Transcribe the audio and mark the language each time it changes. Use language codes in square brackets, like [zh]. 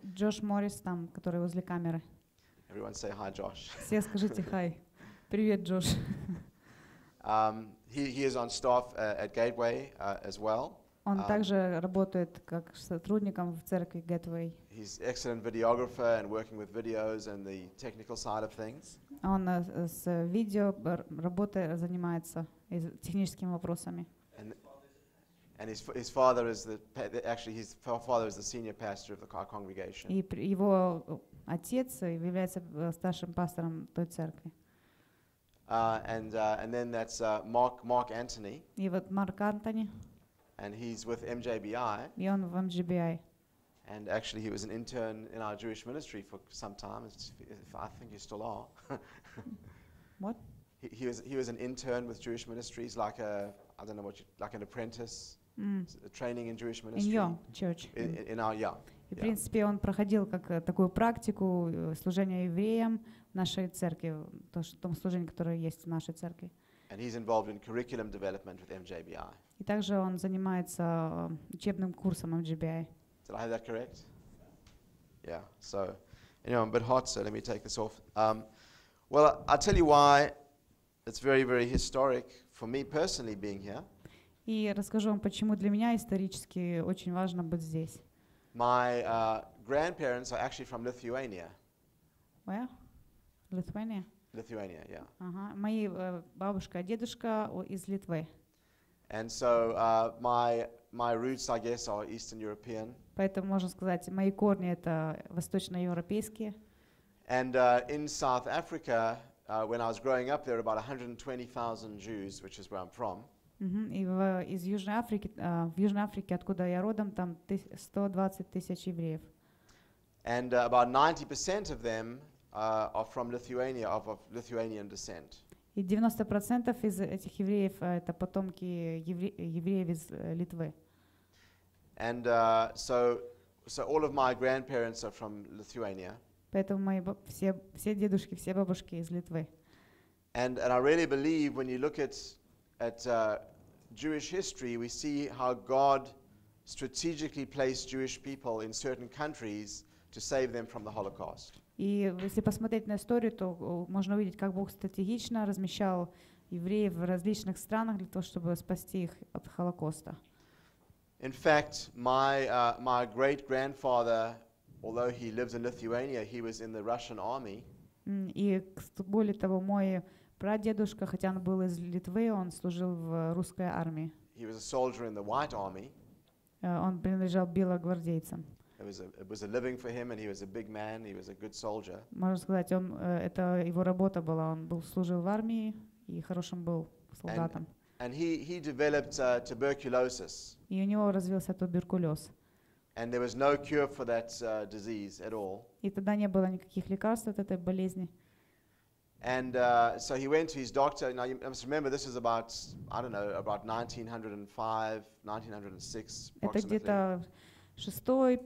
[ru] Josh Morris, там, который возле камеры. [en] Everyone say hi, Josh. [ru] Все скажите hi. Привет, Josh. [en] He is on staff at Gateway as well. [ru] Он также работает как сотрудником в церкви Gateway. [en] He's an excellent videographer and working with videos and the technical side of things. [ru] Он с видео работой занимается и техническими вопросами. [en] And his father is his father is the senior pastor of the congregation. [ru] И его отец является старшим пастором той церкви. [en] And then that's Mark Anthony. [ru] И вот Марк Антони. [en] And he's with MJBI. [ru] И он в MJBI. [en] And actually, he was an intern in our Jewish ministry for some time. I think he still are. What? He was an intern with Jewish ministries, like a I don't know what you, like an apprentice. Training in Jewish ministry. In your church. In our yeah. [ru] И в принципе он проходил как такую практику служения евреям в нашей церкви, то в том служении, которое есть в нашей церкви. [en] And he's involved in curriculum development with MJBI. [ru] И также он занимается учебным курсом MJBI. [en] Did I have that correct? Yeah. So, anyway, I'm a bit hot, so let me take this off. Well, I'll tell you why it's very, very historic for me personally being here. [ru] И расскажу вам, почему для меня исторически очень важно быть здесь. [en] My grandparents are actually from Lithuania. Where? Lithuania. Lithuania, yeah. Uh-huh. [ru] Мои бабушка и дедушка из Литвы. [en] And so my roots, I guess, are Eastern European. [ru] Поэтому можно сказать, мои корни это восточноевропейские. [en] And in South Africa, when I was growing up, there were about 120,000 Jews, which is where I'm from. [ru] И из Южной Африки, в Южной Африке, откуда я родом, там 120 тысяч евреев. [en] And about 90% of them are from Lithuania, of Lithuanian descent. [ru] И 90% из этих евреев это потомки евреев из Литвы. [en] And so all of my grandparents are from Lithuania. [ru] Поэтому мои все дедушки, все бабушки из Литвы. [en] And I really believe when you look at Jewish history, we see how God strategically placed Jewish people in certain countries to save them from the Holocaust. [ru] И если посмотреть на историю, то можно увидеть, как Бог стратегично размещал евреев в различных странах для того, чтобы спасти их от Холокоста. [en] In fact, my great grandfather, although he lives in Lithuania, he was in the Russian army. [ru] И более того, мой прадедушка, хотя он был из Литвы, он служил в русской армии. [en] He was a soldier in the White Army. [ru] Он принадлежал белогвардейцам. [en] It was a living for him, and he was a big man. He was a good soldier. [ru] Можно сказать, он это его работа была. Он был служил в армии и хорошим был солдатом. [en] And he developed tuberculosis. [ru] И у него развился туберкулез. [en] And there was no cure for that disease at all. [ru] И тогда не было никаких лекарств от этой болезни. [en] And so he went to his doctor. Now you must remember this is about, I don't know, about 1905, 1906, approximately.